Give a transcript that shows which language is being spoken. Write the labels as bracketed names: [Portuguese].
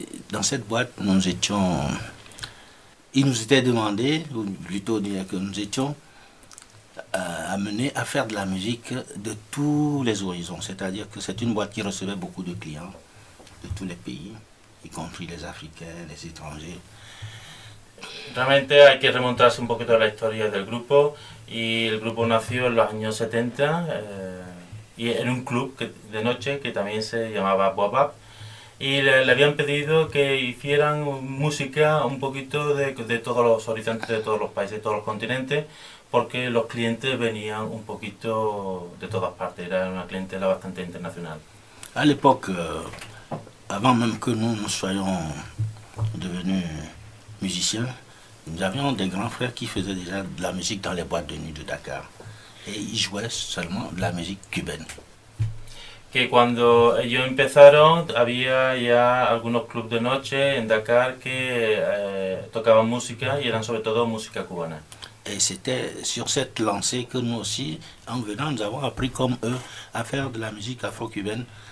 [French] Dans cette boîte, nous étions. Il nous était demandé, ou plutôt dire que nous étions amené à faire de la musique de tous les horizons, c'est-à-dire que c'est une boîte qui recevait beaucoup de clients de tous les pays, y compris les Africains, les étrangers. [Spanish] Realmente hay que remontarse un poquito a la historia del grupo, y el grupo nació en los años 70 y en un club de noche que también se llamaba Boabab, y le habían pedido que hicieran música un poquito de todos los horizontes, de todos los países, de todos los continentes, porque los clientes venían un poquito de todas partes, era una clientela bastante internacional. [French] À l'époque, avant même que nous soyons devenus musiciens, nous avions des grands frères qui faisaient déjà de la musique dans les boîtes de nuit de Dakar, et ils jouaient seulement de la musique cubaine. [Spanish] Que cuando ellos empezaron, había ya algunos clubs de noche en Dakar que tocaban música, y eran sobre todo música cubana. [French] Et c'était sur cette lancée que nous aussi, en venant, nous avons appris comme eux à faire de la musique afro-cubaine.